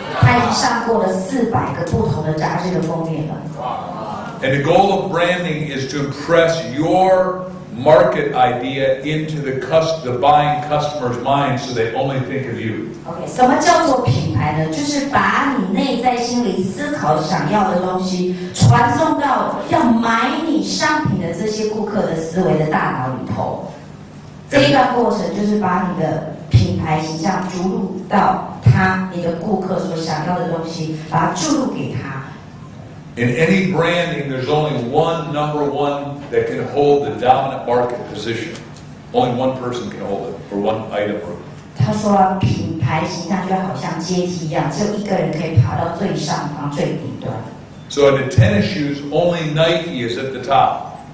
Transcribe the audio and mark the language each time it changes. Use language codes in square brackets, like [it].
[zh] 她已经上过了400个不同的杂志的封面了。 [en] And the goal of branding is to impress your market idea into the buying customer's mind so they only think of you. [zh] Okay, 什么叫做品牌呢？就是把你内在心里思考想要的东西传送到要买你商品的这些顾客的思维的大脑里头。这一段过程就是把你的品牌形象注入到他你的顾客所想要的东西，把它注入给他。 [en] In any branding, there's only one number one that can hold the dominant market position. Only one person can hold it for one item group. [zh] 他说品牌形象就好像阶梯一样，只有一个人可以爬到最上方、最顶端。 [en] So in the tennis shoes, only Nike is at the top.